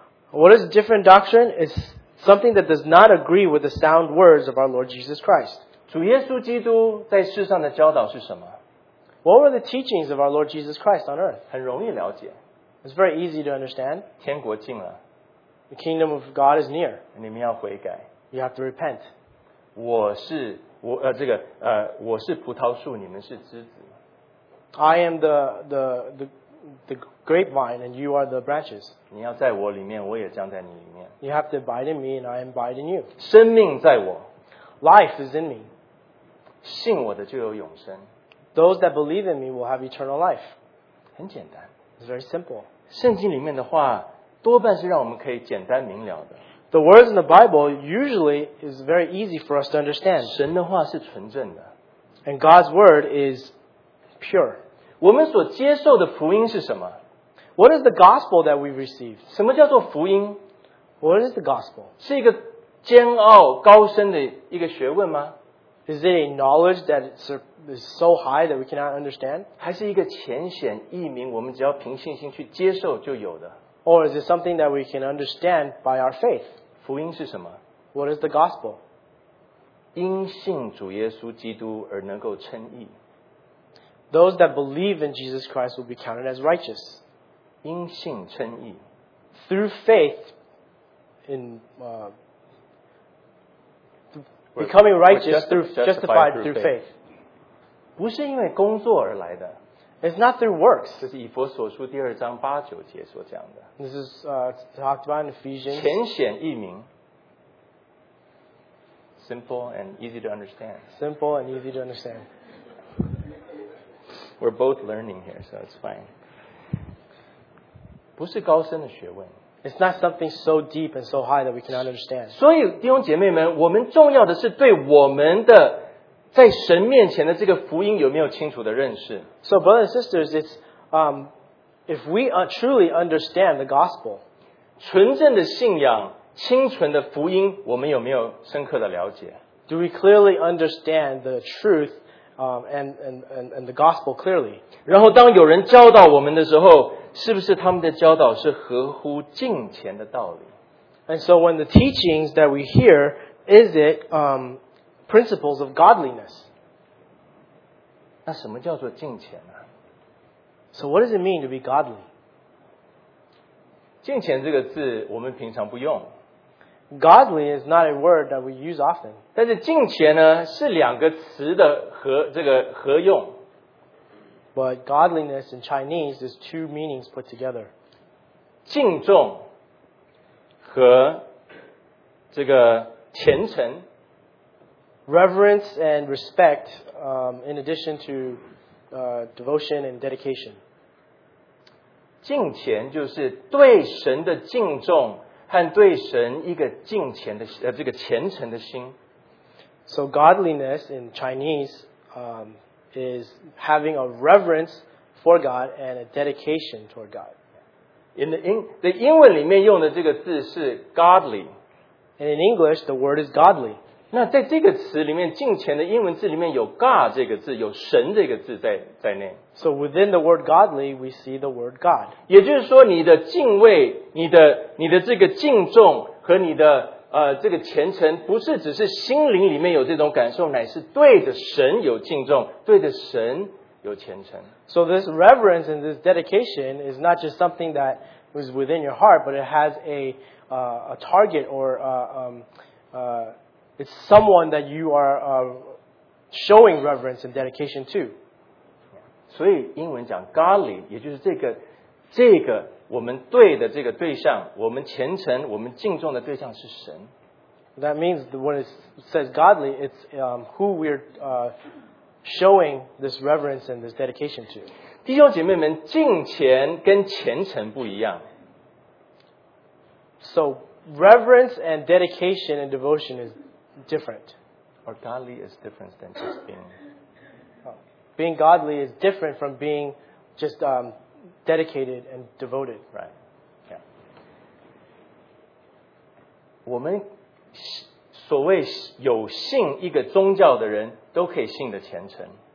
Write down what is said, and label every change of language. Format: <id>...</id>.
<en>What is different doctrine? It's something that does not agree with the sound words of our Lord Jesus Christ.</en> <zh>主耶稣基督在世上的教导是什么？</zh> <en>What were the teachings of our Lord Jesus Christ on earth?</en> <zh>很容易了解。</zh> <en>It's very easy to understand.</en> <zh>天国近了。</zh> <en>The kingdom of God is near.</en> <zh>你们要悔改。</zh> <en>You have to repent.</en> <zh>我是葡萄树，你们是枝子。</zh> <en>I am the grapevine and you are the branches.</en> <zh>你要在我里面，我也将在你里面。</zh> <en>You have to abide in me and I abide in you.</en> <zh>生命在我。</zh> <en>Life is in me.</en> <zh>信我的就有永生。</zh> <en>Those that believe in me will have eternal life.</en> <zh>很简单,</zh> <en>it's very simple.</en> <zh>圣经里面的话, 多半是让我们可以简单明了的。</zh> <en>The words in the Bible usually is very easy for us to understand.</en> <zh>神的话是纯正的。</zh> <en>And God's word is pure.</en> <zh>我们所接受的福音是什么?</zh> <en>What is the gospel that we've received?</en> <zh>什么叫做福音?</zh> <en>What is the gospel?</en> <zh>是一个煎熬高深的一个学问吗？</zh> <en>Is it a knowledge that is so high that we cannot understand?</en> <zh>还是一个浅显易明，我们只要凭信心去接受就有的？</zh> <en>Or is it something that we can understand by our faith?</en> <zh>福音是什么？</zh> <en>What is the gospel?</en> <zh>因信主耶稣基督而能够称义。</zh> <en>Those that believe in Jesus Christ will be counted as righteous.</en> <zh>因信称义。</zh> <en>Through faith in becoming righteous justified through faith.</en> <zh>不是因为工作而来的。</zh> <en>It's not through works.</en> <zh>这是以弗所书第二章八九节所讲的。</zh> <en>This is talked about in Ephesians.</en> <zh>浅显易明。</zh> <en>Simple and easy to understand. Simple and easy to understand. We're both learning here, so it's fine.</en> <zh>不是高深的学问。</zh> <en>It's not something so deep and so high that we cannot understand.</en> <zh>所以弟兄姐妹们，我们重要的是对我们的在神面前的这个福音有没有清楚的认识。</zh> <en>So brothers and sisters, it's if we truly understand the gospel,</en> <zh>纯正的信仰，清纯的福音，我们有没有深刻的了解？</zh> <en>Do we clearly understand the truth and the gospel clearly?</en> <zh>然后当有人教导我们的时候，是不是他们的教导是合乎敬虔的道理？</zh> <en>And so when the teachings that we hear, is it principles of godliness?</en> <zh>那什么叫做敬虔呢？</zh> <en>So what does it mean to be godly?</en> <zh>敬虔这个字我们平常不用。</zh> <en>Godly is not a word that we use often.</en> <zh>但是敬虔呢，是两个词的合用。</zh> <en>But godliness in Chinese is two meanings put together.</en> <zh>敬重和这个虔诚。</zh> <en>Reverence and respect, in addition to devotion and dedication.</en> <zh>敬虔就是对神的敬重和对神一个敬虔的这个虔诚的心。</zh> <en>So godliness in Chinese, is having a reverence for God and a dedication toward God. In the</en> <zh>英文里面用的这个字是 godly.</zh> <en>And in English, the word is godly.</en> <zh>那在这个词里面，敬虔的英文字里面有 God 这个字，有神这个字在内。</zh> <en>So within the word godly, we see the word God.</en> <zh>也就是说，你的敬畏，你的这个敬重和你的这个虔诚不是只是心灵里面有这种感受，乃是对着神有敬重，对着神有虔诚。</zh> <en>So this reverence and this dedication is not just something that is within your heart, but it has a target or it's someone that you are showing reverence and dedication to.</en> <zh>所以英文讲 godly, 也就是这个我们对的这个对象，我们虔诚、我们敬重的对象是神。</zh> <en>That means when it says godly, it's who we're showing this reverence and this dedication to.</en> <zh>弟兄姐妹们，敬虔跟虔诚不一样。</zh> <en>So reverence and dedication and devotion is different. Or godly is different than just being. Being godly is different from being just dedicated and devoted. Right.</en> <zh>Yeah. 我们所谓有信一个宗教的人都可以信得虔诚。</zh>